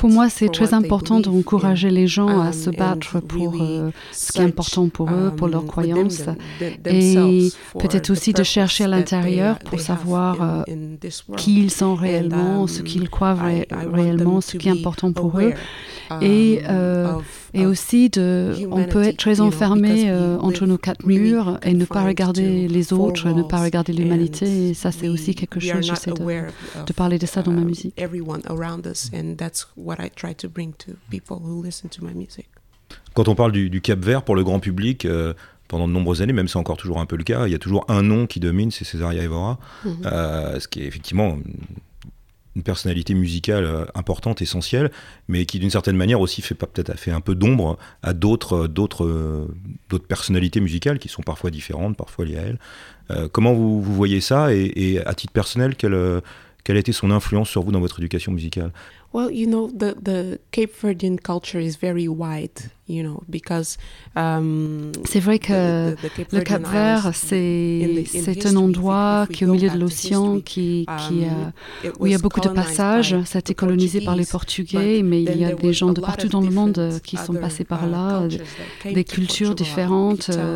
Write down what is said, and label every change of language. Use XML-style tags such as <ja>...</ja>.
<fr>Pour moi, c'est très important d'encourager les gens à se battre pour ce qui est important pour eux, pour leurs croyances, et peut-être aussi de chercher à l'intérieur pour savoir qui ils sont réellement, ce qu'ils croient réellement, ce qui est important pour eux. Et aussi, on peut être très enfermé entre nos quatre murs et ne pas regarder les autres, ne pas regarder l'humanité. Et ça, c'est aussi quelque chose, j'essaie de parler de ça dans ma musique.</fr> <en>Everyone around us, and that's what I try to bring to people who listen to my music.</en> <fr>Quand on parle du Cap-Vert, pour le grand public, pendant de nombreuses années, même c'est encore toujours un peu le cas, il y a toujours un nom qui domine, c'est Cesária Évora, ce qui est effectivement une personnalité musicale importante, essentielle, mais qui d'une certaine manière aussi fait un peu d'ombre à d'autres personnalités musicales qui sont parfois différentes, parfois liées à elle. Comment vous voyez ça et à titre personnel, quelle a été son influence sur vous dans votre éducation musicale?</fr> <en>Well, you know, the Cape Verdean culture is very wide, you know, because</en> <fr>c'est vrai que le Cap Vert, c'est un endroit qui est au milieu de l'océan, où il y a beaucoup de passages. Ça a été colonisé par les Portugais, mais il y a des gens de partout dans le monde qui sont passés par là, des cultures différentes.</fr>